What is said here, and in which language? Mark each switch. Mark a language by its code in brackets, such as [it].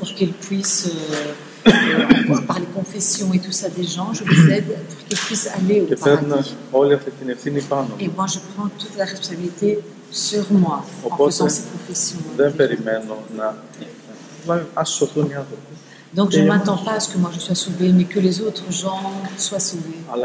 [fr] Pour qu'ils puissent, par les confessions et tout ça des gens, je les aide pour qu'ils puissent aller au Paradis. [el] Και παίρνω όλη αυτή την ευθύνη πάνω. [fr] Et moi, je prends toute la responsabilité sur moi, [el] οπότε, [fr] en faisant ces confessions. profession. [el] Δεν περιμένω να σωθούν οι άνθρωποι. [fr] Donc je ne m'attends pas à ce que moi je sois sauvé, mais que les autres gens soient sauvés.